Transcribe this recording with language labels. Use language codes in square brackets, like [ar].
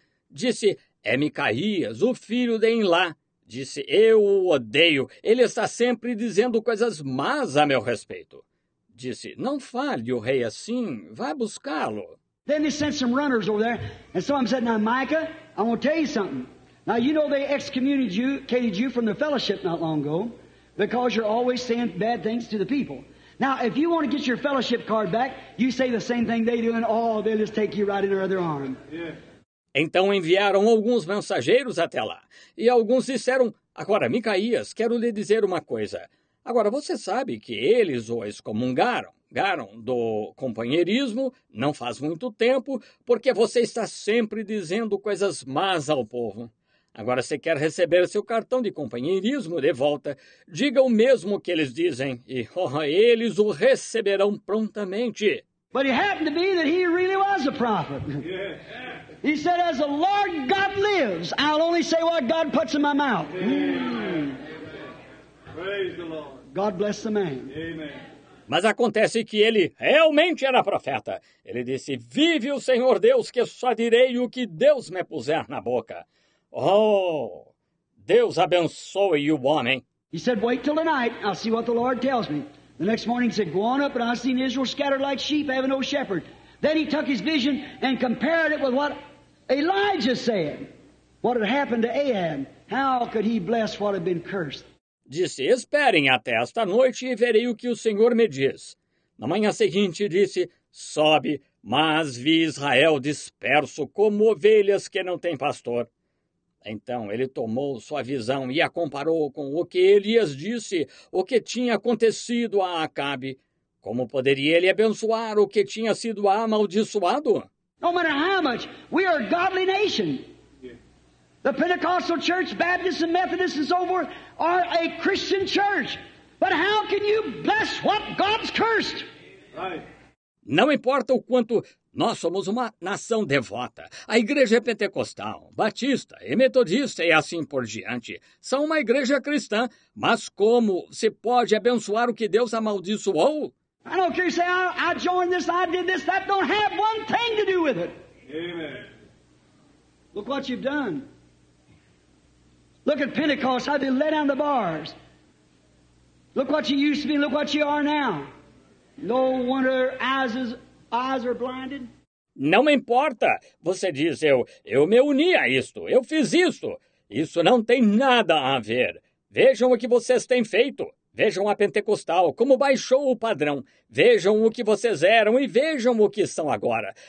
[pt] Disse, é Micaías, o filho de Imlá. Disse, eu o odeio. Ele está sempre dizendo coisas más a meu respeito. Disse, não fale o rei assim. Vai buscá-lo. [en] Then they sent some runners over there. And some of them said, now, Micah, I want to tell you something. Now, you know they excommunicated you from the fellowship not long ago because you're always saying bad things to the people. Now, if you want to get your fellowship card back, you say the same thing they do and, oh, they'll just take you right in their other arm. Yeah. [pt] Então enviaram alguns mensageiros até lá, e alguns disseram, agora, Micaías, quero lhe dizer uma coisa. Agora, você sabe que eles o excomungaram do companheirismo não faz muito tempo, porque você está sempre dizendo coisas más ao povo. Agora, se quer receber seu cartão de companheirismo de volta, diga o mesmo que eles dizem e eles o receberão prontamente. [en] But it happened to be that he really was a prophet. He said, as the Lord God lives, I'll only say what God puts in my mouth. Amen. Praise the Lord. God bless the man. Amen. [pt] Mas acontece que ele realmente era profeta. Ele disse, vive o Senhor Deus, que só direi o que Deus me puser na boca. Oh, Deus abençoe o homem. [en] He said, wait till tonight, I'll see what the Lord tells me. The next morning he said, go on up, and I've seen Israel scattered like sheep, having no shepherd. Then he took his vision and compared it with what Elijah said. What had happened to Ahab? How could he bless what had been cursed? [pt] Disse, esperem até esta noite e verei o que o Senhor me diz. Na manhã seguinte disse, sobe, mas vi Israel disperso como ovelhas que não têm pastor. Então ele tomou sua visão e a comparou com o que Elias disse, o que tinha acontecido a Acabe. Como poderia ele abençoar o que tinha sido amaldiçoado? [en] No matter how much, we are a godly nation. The Pentecostal church, Baptists and Methodists and so forth are a Christian church. But how can you bless what God's cursed? [pt] Não importa o quanto nós somos uma nação devota. A igreja pentecostal, batista e metodista e assim por diante são uma igreja cristã. Mas como se pode abençoar o que Deus amaldiçoou? [en] I don't care if you say, I joined this, I did this, that don't have one thing to do with it. Amen. Look what you've done. Look at Pentecost, how they let down the bars. Look what you used to be, look what you are now. No wonder eyes are blinded. [pt] Não me importa. Você diz, eu me uni a isto, eu fiz isto. Isso não tem nada a ver. Vejam o que vocês têm feito. Vejam a Pentecostal, como baixou o padrão. Vejam o que vocês eram e vejam o que são agora.